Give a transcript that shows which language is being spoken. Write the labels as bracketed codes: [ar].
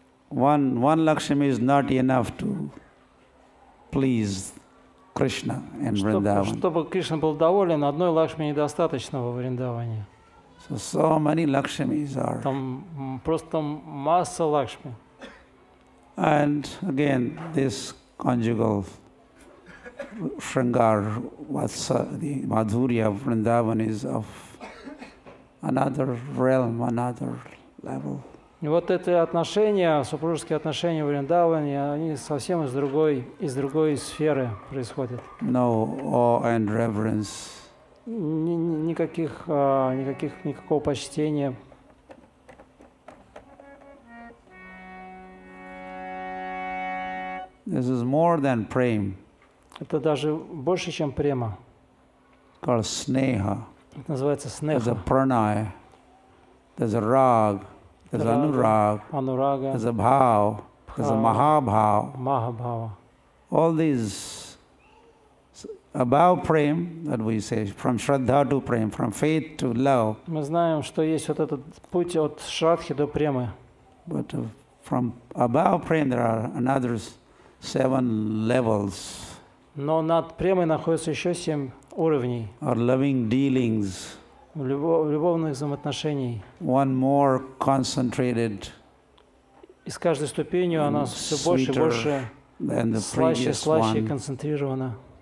[en] One Lakshmi is not enough to please Krishna in Vrindavan. [ru] Чтобы Кришна был доволен, одной Лакшми недостаточно во Вриндаване. [en] So many Lakshmis are. [ru] Там просто масса Лакшми. [en] And again, this conjugal Shringar, Vatsa, the Madhurya of Vrindavan is of another realm, another level. [ru] И вот эти отношения, супружеские отношения в Вриндаване, они совсем из другой сферы происходят. [en] No awe and reverence. [ru] Никакого почтения. [en] This is more than prem. [ru] Это даже больше, чем према. [en] Called snēha. [ru] Это называется снеха. [en] There's a pranaya. There's a rag. There's anurag, [sa] anuraga, [en] there's a bhav, there's a mahabhav. [sa] Mahabhava. [en] All these above prem that we say, from shraddha to prem, from faith to love. [ru] Мы знаем, что есть вот этот путь от шрадхи до премы. [en] But from above prem there are another 7 levels. [ru] Но над премой находится еще 7 уровней. [en] Or loving dealings. [ru] Любовных взаимоотношений. [en] One more concentrated. [ru] И с каждой ступенью она все больше и больше слаще, слаще концентрирована.